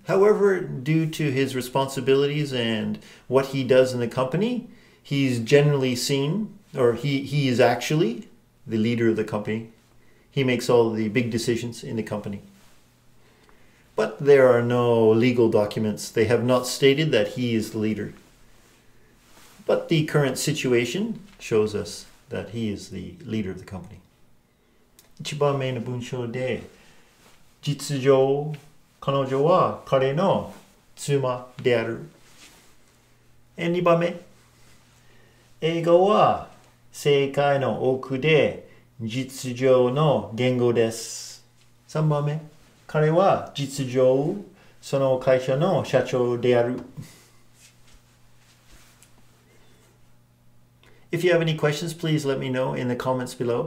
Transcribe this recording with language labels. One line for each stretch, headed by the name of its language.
English: However, due to his responsibilities and what he does in the company, he's generally seen, or he is actually the leader of the company. He makes all the big decisions in the company. But there are no legal documents. They have not stated that he is the leader. But the current situation shows us that he is the leader of the company.
Japanese: 一番目の文章で、実情、彼女は彼の妻である。二番目、英語は世界の奥で実情の言語です。三番目、彼は実情その会社の社長である。
English: If you have any questions, please let me know in the comments below.